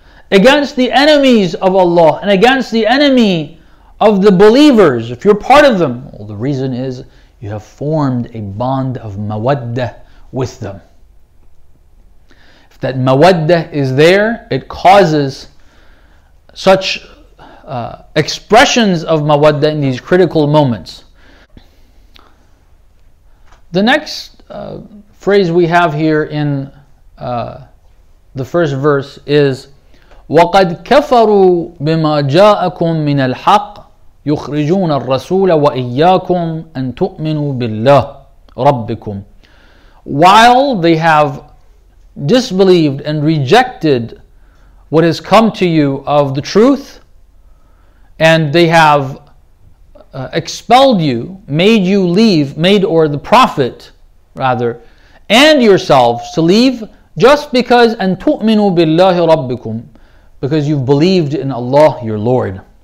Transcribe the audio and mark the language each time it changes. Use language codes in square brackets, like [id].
[en] Against the enemies of Allah and against the enemy of the believers, if you're part of them, well, the reason is you have formed a bond of mawaddah with them. If that mawaddah is there, it causes such expressions of mawaddah in these critical moments. The next phrase we have here in the first verse is [ar] وَقَدْ كَفَرُوا بِمَا جَاءَكُمْ مِنَ الْحَقِّ يُخْرِجُونَ الرَّسُولَ وَإِيَّاكُمْ أَن تُؤْمِنُوا بِاللَّهِ رَبِّكُمْ. [en] While they have disbelieved and rejected what has come to you of the truth, and they have expelled you, made you leave, made or the Prophet rather, and yourselves to leave just because [ar] أَن تُؤْمِنُوا بِاللَّهِ رَبِّكُمْ, [en] because you've believed in Allah, your Lord.